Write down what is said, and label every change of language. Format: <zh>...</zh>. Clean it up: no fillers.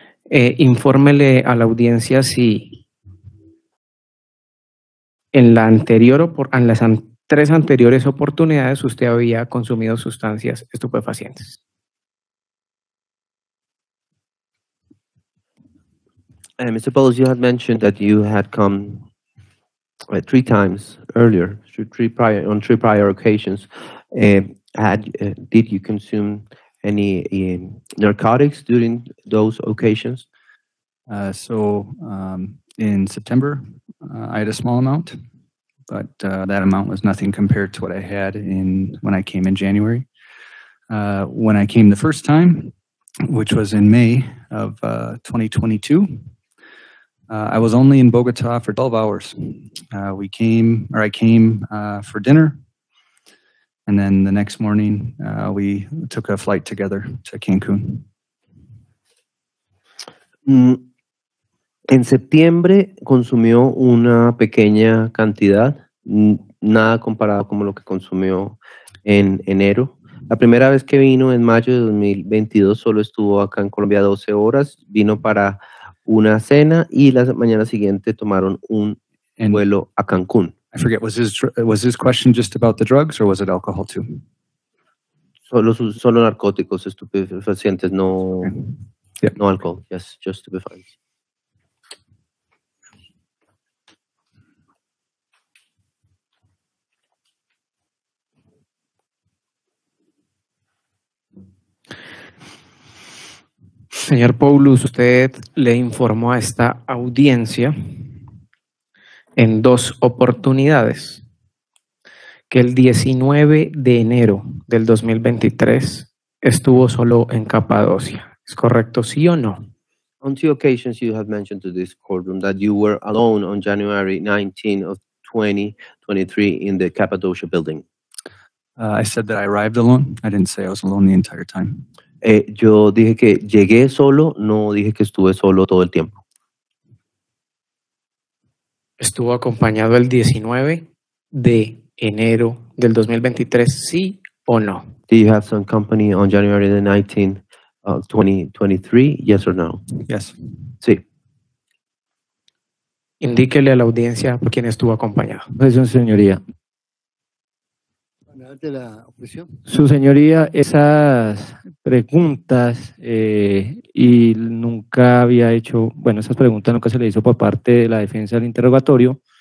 <es>Infórmele a la audiencia si en la anterior tres anteriores oportunidades usted había consumido sustancias estupefacientes.</es> <en>Mr. Poulos, you had mentioned that you had come 3 times earlier, on three prior occasions. Did you consume any narcotics during those occasions? In September, I had a small amount, but that amount was nothing compared to what I had when I came in January. When I came the first time, which was in May of 2022, I was only in Bogota for 12 hours. I came for dinner. And then the next morning, we took a flight together to Cancun.</en> <es>En septiembre consumió una pequeña cantidad, nada comparado con lo que consumió en enero. La primera vez que vino en mayo de 2022, solo estuvo acá en Colombia 12 horas. Vino para una cena y la mañana siguiente tomaron un vuelo a Cancún.</es> <en>I forget, was his question just about the drugs or was it alcohol too?</en> <es>Solo narcóticos, estupefacientes, no, okay. Yeah. No alcohol.</es> <en>Yes, just stupefacientes.</en> <es>Señor Poulos, usted le informó a esta audiencia en 2 oportunidades, que el 19 de enero del 2023 estuvo solo en Capadocia. ¿Es correcto, sí o no?</es> <en>On 2 occasions you have mentioned to this courtroom that you were alone on January 19 of 2023 in the Cappadocia building. I said that I arrived alone. I didn't say I was alone the entire time.</en> <es>Yo dije que llegué solo, no dije que estuve solo todo el tiempo. ¿Estuvo acompañado el 19 de enero del 2023, sí o no?</es> <en>Do you have some company on January the 19th, 2023, yes or no? Yes.</en> <es>Sí. Indíquele a la audiencia por quién estuvo acompañado. Pues, señoría. De la opresión. Su señoría, esas preguntas y nunca había hecho, bueno, esas preguntas nunca se le hizo por parte de la defensa del interrogatorio.</es>